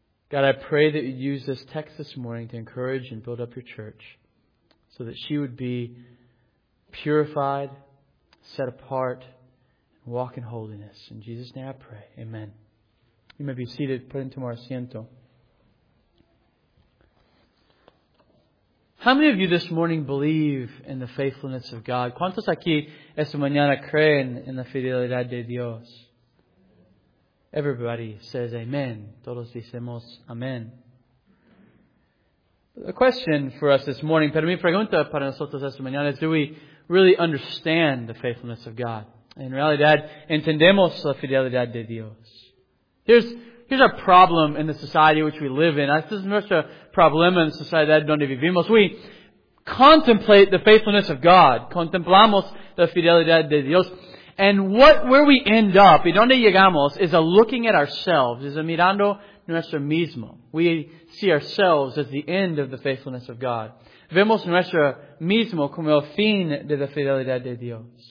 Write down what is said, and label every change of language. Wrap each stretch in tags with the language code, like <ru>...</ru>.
<en>God, I pray that You'd use this text this morning to encourage and build up Your church so that she would be purified, set apart, and walk in holiness. In Jesus' name I pray. Amen. You may be seated. Put into more asiento. How many of you this morning believe in the faithfulness of God?</en> <es>¿Cuántos aquí esta mañana creen en la fidelidad de Dios?</es> <en>Everybody says amen.</en> <es>Todos decimos amen.</es> <en>The question for us this morning,</en> <es>pero mi pregunta para nosotros esta mañana es,</es> <en>do we really understand the faithfulness of God?</en> <es>En realidad, ¿entendemos la fidelidad de Dios?</es> <en>Here's our problem in the society which we live in. This is</en> <es>nuestro problema en la sociedad donde vivimos.</es> <en>We contemplate the faithfulness of God.</en> <es>Contemplamos la fidelidad de Dios.</es> <en>And where we end up,</en> <es>y donde llegamos,</es> <en>is a looking at ourselves,</en> <es>is a mirando nuestro mismo.</es> <en>We see ourselves as the end of the faithfulness of God.</en> <es>Vemos nuestro mismo como el fin de la fidelidad de Dios.</es>